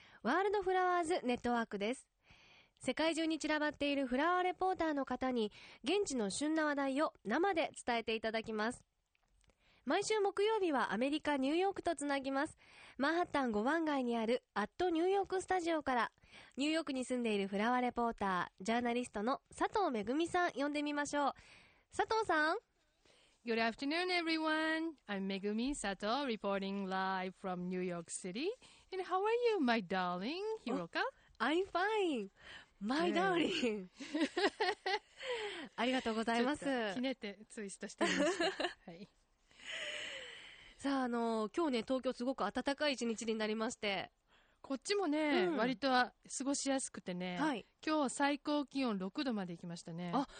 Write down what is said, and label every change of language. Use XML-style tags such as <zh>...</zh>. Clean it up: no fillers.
<ja>ワールドフラワーズネットワークです。世界中に散らばっているフラワーレポーターの方に現地の旬な話題を生で伝えていただきます。毎週木曜日はアメリカニューヨークとつなぎます。マンハッタン5番街にあるアットニューヨークスタジオから、ニューヨークに住んでいるフラワーレポータージャーナリストの佐藤めぐみさん呼んでみましょう。佐藤さん。</ja> <en>Good afternoon everyone. I'm Megumi Sato reporting live from New York City. And how are you, my darling Hiroka? I'm fine. My darling.</en> <ja>ありがとうございます。ちょっとひねってツイストしてみました。はい。さあ、今日ね、東京すごく暖かい一日になりまして、こっちもね、うん、割とは過ごしやすくてね、はい、今日最高気温6度まで行きましたね。</ja>